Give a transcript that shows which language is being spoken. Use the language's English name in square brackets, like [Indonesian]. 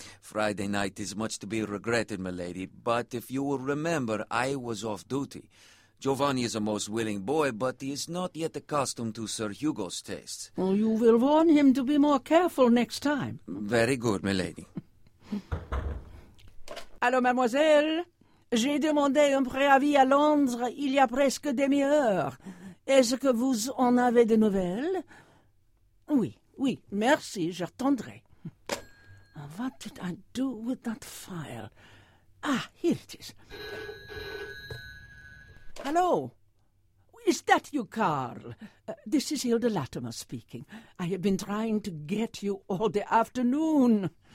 [English] Friday night is much to be regretted, m'lady. But if you will remember, I was off duty. Giovanni is a most willing boy, but he is not yet accustomed to Sir Hugo's tastes. Well, you will warn him to be more careful next time. Very good, m'lady. [French] Allô, mademoiselle? J'ai demandé un préavis à Londres il y a presque demi-heure. Est-ce que vous en avez des nouvelles? Oui, oui, merci, j'attendrai. [English] What did I do with that file? Ah, here it is. Hello? Is that you, Carl? This is Hilda Latimer speaking. I have been trying to get you all the afternoon.